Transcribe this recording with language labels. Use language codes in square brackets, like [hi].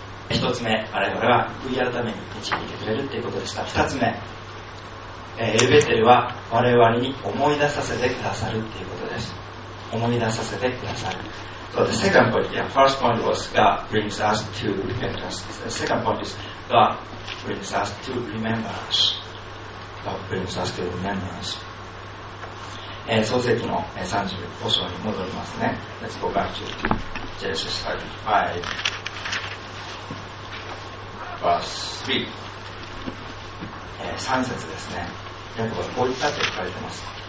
[ja] 一つ目、我々は悔い改めに導いてくれるということでした。二つ目、エルベテルは我々に思い出させてくださるということです。思い出させてくださる。 [en] So the second point, the first point was God brings us to repentance. The second point is God brings us to remembrance. God brings us to remembrance. [ja] 創世記の35章に戻りますね。 [en] Let's go back to Genesis 35, verse 3. [ja] 3節ですね。ヤコブはこう言ったと書いてます。